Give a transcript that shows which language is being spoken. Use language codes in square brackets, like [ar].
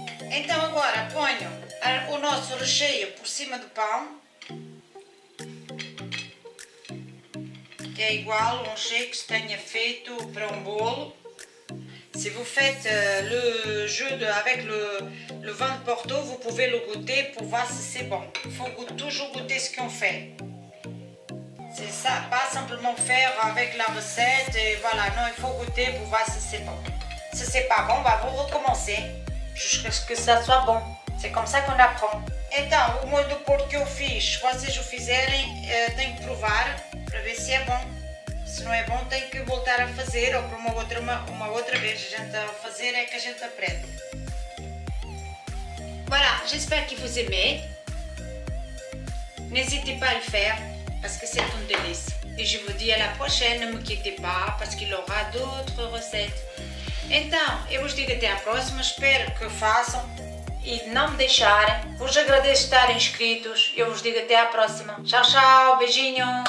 [pt] Então agora ponho o nosso recheio por cima do pão, que é igual a um recheio que se tenha feito para um bolo. [fr] Se vous faites le jus avec le vin de Porto, vous pouvez le goûter pour voir si c'est bon. Il faut toujours goûter ce qu'on fait. C'est ça, pas simplement faire avec la recette et voilà, non, il faut goûter pour voir si c'est bon. Si c'est pas bon, bah vous recommencez. Jusqu'à ce que ça soit bon. C'est comme ça qu'on apprend. [pt] Então, o molho do porco que eu fiz, vocês o fizerem, tem que provar para ver se é bom. Se não é bom, tem que voltar a fazer ou para uma outra vez. A gente a fazer é que a gente aprende. [fr] Voilà, j'espère que vous aimez. N'hésitez pas à le faire, parce que c'est une délice. Et je vous dis à la prochaine, ne me quittez pas, parce qu'il y aura d'autres recettes. [pt] Então, eu vos digo até à próxima, espero que façam e de não me deixarem. Vos agradeço de estarem inscritos. Eu vos digo até à próxima. Tchau, tchau. Beijinho.